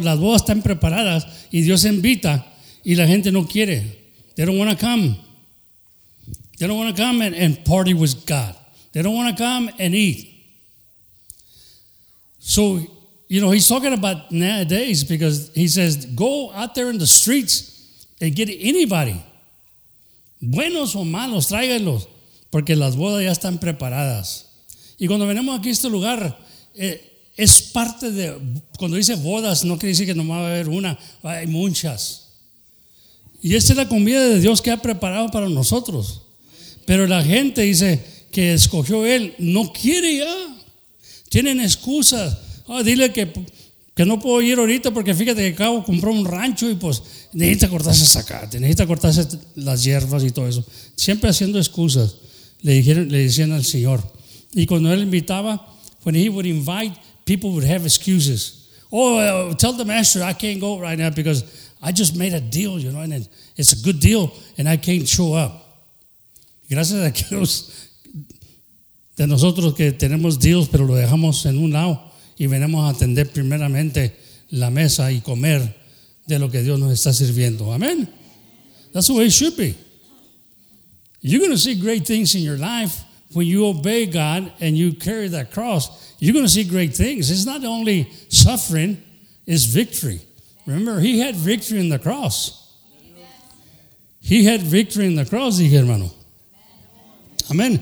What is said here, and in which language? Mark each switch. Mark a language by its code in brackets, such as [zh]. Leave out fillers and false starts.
[es] Las bodas están preparadas y Dios invita y la gente no quiere. [en] They don't want to come. They don't want to come and party with God. They don't want to come and eat. So, you know, he's talking about nowadays because he says, go out there in the streets and get anybody. [es] Buenos o malos, tráiganlos. Porque las bodas ya están preparadas. Y cuando venimos aquí a este lugar, es parte de, cuando dice bodas, no quiere decir que nomás va a haber una, hay muchas. Y esta es la comida de Dios que ha preparado para nosotros. Pero la gente dice que escogió Él, no quiere ya. Tienen excusas. Oh, dile que no puedo ir ahorita porque fíjate que acabo de comprar un rancho y pues necesita cortarse el zacate, necesita cortarse las hierbas y todo eso. Siempre haciendo excusas, le decían al Señor. Y cuando Él invitaba, [en] when He would invite, people would have excuses. Oh, tell the master I can't go right now because I just made a deal, you know, and it's a good deal, and I can't show up. [es] Gracias a Dios de nosotros que tenemos deals, pero lo dejamos en un lado y venimos a atender primeramente la mesa y comer de lo que Dios nos está sirviendo. [en] Amen. That's the way it should be. You're going to see great things in your life when you obey God and you carry that cross. You're going to see great things. It's not only suffering, it's victory. Remember, He had victory in the cross. He had victory in the cross, [es] dije hermano. [en] Amen.